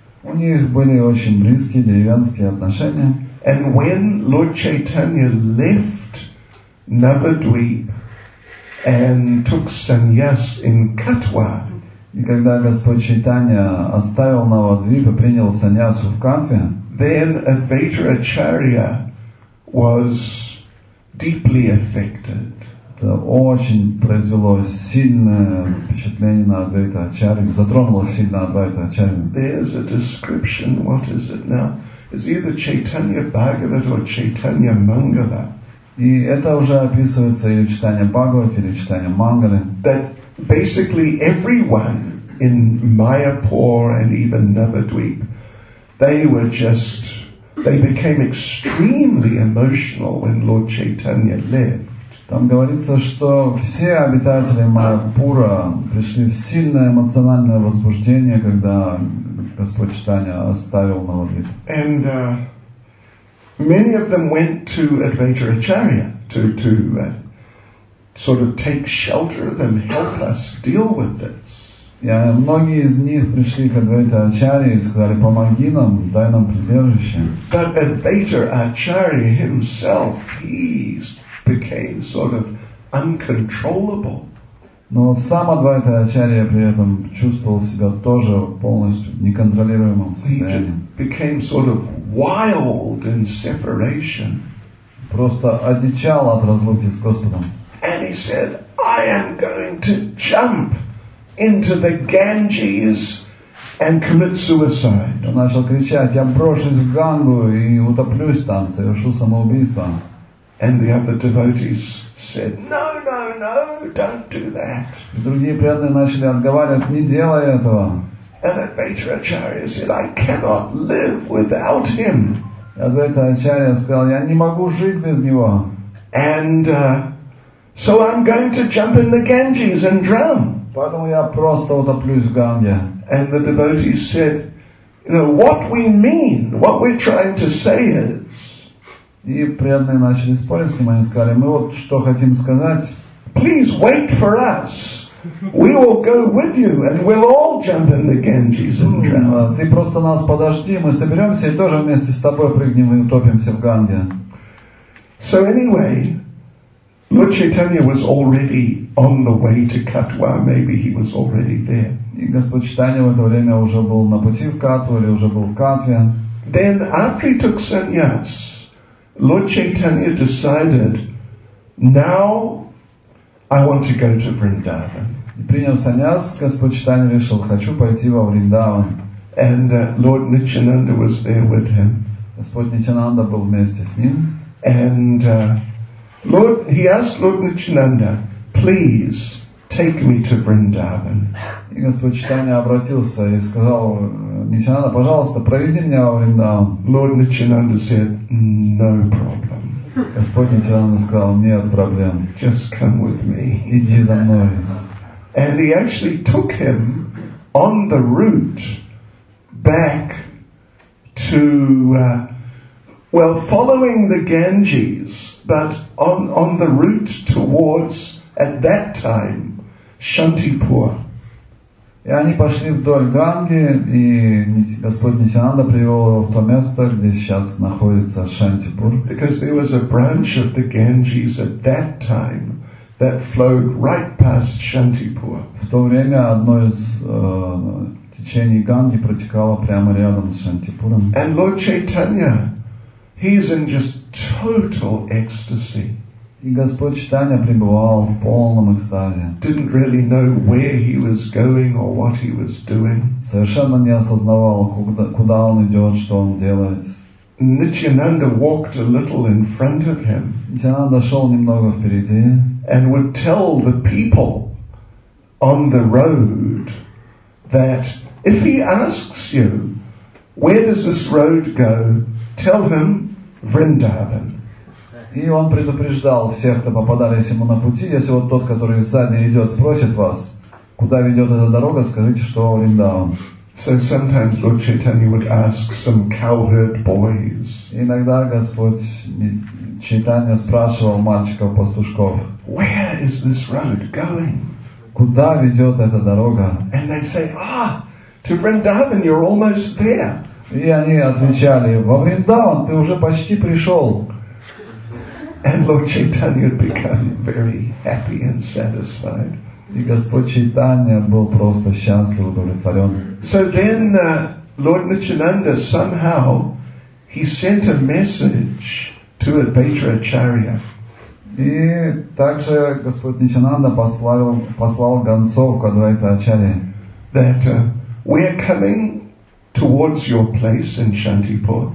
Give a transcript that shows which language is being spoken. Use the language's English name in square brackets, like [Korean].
[Russian] У них были очень близкие деревенские отношения. [English] And when Lord Chaitanya left Navadvip and took sannyas in Katwa. [Russian] И когда Господь Чайтанья оставил Навадвип и принял саньясу в Катве, [English] then Advaita Acharya was deeply affected. [Russian] Это очень произвело сильное впечатление на Адвайта Ачарью, затронуло сильно Адвайта Ачарью. [English] There's a description, what is it now? It's either Chaitanya Bhagavat or Chaitanya Mangala. [Russian] И это уже описывается или в Чайтанье Бхагавате, или в Чайтанье Мангале. [English] Basically, everyone in Mayapur and even Navadvip, they became extremely emotional when Lord Chaitanya left. [Russian] Там говорится, что все обитатели Майяпура пришли в сильное эмоциональное возбуждение, когда Господь Чайтанья оставил Навадвип. [English] And many of them went to Advaita Acharya to sort of take shelter of them, help us deal with this. [Russian] Yeah, многие из них пришли к Адвайта Ачарье и сказали, помоги нам, дай нам прибежище. [English] But Advaita Acharya himself, he became sort of uncontrollable. [Russian] Но сам Адвайта Ачарья при этом чувствовал себя тоже полностью неконтролируемым состоянием. [English] He became sort of wild in separation. [Russian] Просто одичал от разлуки с Господом. [English] And he said, I am going to jump into the Ganges and commit suicide. [Russian] Он начал кричать, я брошусь в Гангу и утоплюсь там, совершу самоубийство. [English] And the other devotees said, no, no, no, don't do that. [Russian] И другие преданные начали отговаривать, не делай этого. [English] And Advaita Acharya said, I cannot live without him. [Russian] Advaita Acharya сказал, я не могу жить без него. [English] And So I'm going to jump in the Ganges and drown. [Russian] Поэтому я просто утоплюсь в Ганге. [English] And the devotee said, you know, what we mean, what we're trying to say is. [Russian] И преданные начали спорить с ним, они сказали, мы вот что хотим сказать. [English] Please wait for us. We will go with you, and we'll all jump in the Ganges and drown. [Russian] Ты просто нас подожди, мы соберемся и тоже вместе с тобой прыгнем и утопимся в Ганге. [English] So anyway, Lord Chaitanya was already on the way to Katwa. Maybe he was already there. [Russian] И Господь Читания в это время уже был на пути в Катву или уже был в Катве. [English] Then after he took sannyas, Lord Chaitanya decided, now I want to go to Vrindavan. [Russian] И принял саньяс, Господь Читания решил, хочу пойти во Вриндаван. [English] And Lord Nityananda was there with him. [Russian] Господь Нитянанда был вместе с ним. [English] And Lord, he asked Lord Nityananda, please take me to Vrindavan. [Russian] И Господь Читания обратился и сказал, Нитянанда, пожалуйста, проведи меня во Вриндаван. [English] Lord Nityananda said, no problem. [Russian] Господь Нитянанда сказал, нет проблем. [English] Just come with me. [Russian] Иди за мной. [English] And he actually took him on the route back to, well, following the Ganges, but on the route towards, at that time, Shantipur. [Russian] И они пошли вдоль Ганги, и Господь Нитянанда привел его в то место, где сейчас находится Шантипур. [English] Because there was a branch of the Ganges at that time that flowed right past Shantipur. [Russian] В то время одно из течений Ганги протекало прямо рядом с Шантипуром. [English] And Lord Chaitanya, he's in just total ecstasy. [Russian] И Господь Читания пребывал в полном экстазе. [English] Didn't really know where he was going or what he was doing. [Russian] Совершенно не осознавал, куда он идет, что он делает. [English] Nityananda walked a little in front of him. [Russian] Нитянанда шел немного впереди. [English] And would tell the people on the road that if he asks you, where does this road go, tell him Vrindavan. [Russian] И он предупреждал всех, кто попадались ему на пути, если вот тот, который сзади идет, спросит вас, куда ведет эта дорога, скажите, что Вриндаван. [English] So sometimes Lord Chaitanya would ask some cowherd boys. [Russian] Иногда Господь Чайтанья спрашивал мальчиков-пастушков, [English] where is this road going? [Russian] Куда ведет эта дорога? [English] And they'd say, ah, to Vrindavan, you're almost there. [Russian] И они отвечали, во Вриндаван ты уже почти пришел. [English] And Lord Chaitanya had become very happy and satisfied. [Russian] И Господь Чайтанья был просто счастлив, удовлетворен. [English] So then Lord Nityananda somehow he sent a message to Advaita Acharya. [Russian] И также Господь Нитянанда послал гонцов к Адвайта Ачарье. [English] That we're coming towards your place in Shantipur.